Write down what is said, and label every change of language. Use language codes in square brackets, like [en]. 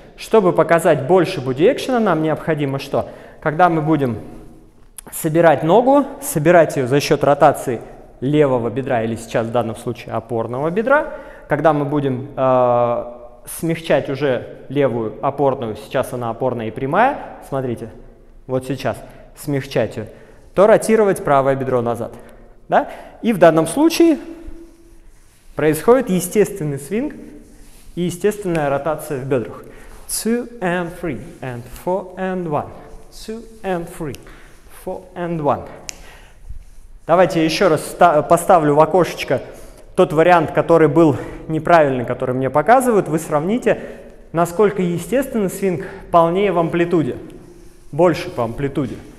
[ru] Чтобы показать больше боди-экшена, нам необходимо что? Когда мы будем собирать ногу, собирать ее за счет ротации левого бедра, или сейчас в данном случае опорного бедра, когда мы будем смягчать уже левую опорную, сейчас она опорная и прямая, смотрите, вот сейчас смягчать ее, то ротировать правое бедро назад. Да? И в данном случае происходит естественный свинг и естественная ротация в бедрах. [en] Two and three, and four and one, two and three. And one. [ru] Давайте я еще раз поставлю в окошечко тот вариант, который был неправильный, который мне показывают. Вы сравните, насколько естественный свинг полнее в амплитуде. Больше по амплитуде.